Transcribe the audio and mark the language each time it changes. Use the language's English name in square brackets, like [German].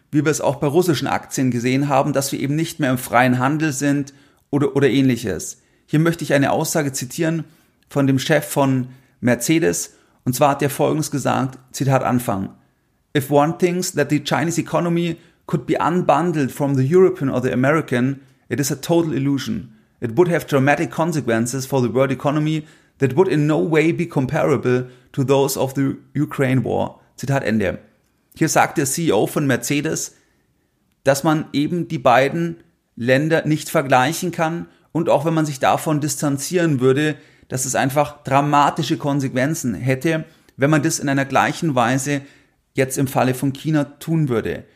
[German] wie wir es auch bei russischen Aktien gesehen haben, dass wir eben nicht mehr im freien Handel sind oder ähnliches. Hier möchte ich eine Aussage zitieren von dem Chef von Mercedes, und zwar hat er Folgendes gesagt, Zitat Anfang: [English] "If one thinks that the Chinese economy could be unbundled from the European or the American, it is a total illusion. It would have dramatic consequences for the world economy that would in no way be comparable to those of the Ukraine war." [German] Zitat Ende. Hier sagt der CEO von Mercedes, dass man eben die beiden Länder nicht vergleichen kann und auch wenn man sich davon distanzieren würde, dass es einfach dramatische Konsequenzen hätte, wenn man das in einer gleichen Weise jetzt im Falle von China tun würde.